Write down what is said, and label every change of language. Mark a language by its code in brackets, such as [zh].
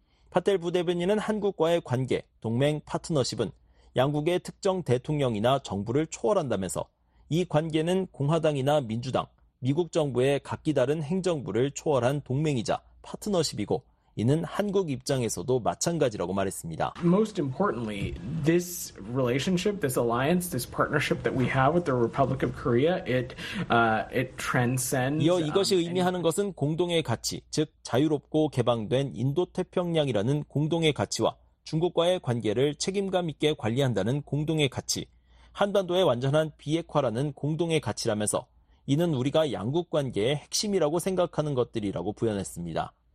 [ko] 파텔 부대변인은 한국과의 관계, 동맹, 파트너십은 양국의 특정 대통령이나 정부를 초월한다면서 이 관계는 공화당이나 민주당, 미국 정부의 각기 다른 행정부를 초월한 동맹이자 파트너십이고 이는 한국 입장에서도 마찬가지라고 말했습니다. [en] Most importantly, this relationship, this alliance, this partnership that we have with the Republic of Korea, it transcends. [ko] 이어 이것이 의미하는 것은 공동의 가치, 즉 자유롭고 개방된 인도태평양이라는 공동의 가치와 중국과의 관계를 책임감 있게 관리한다는 공동의 가치, 한반도의 완전한 비핵화라는 공동의 가치라면서 이는 우리가 양국 관계의 핵심이라고 생각하는 것들이라고 부연했습니다.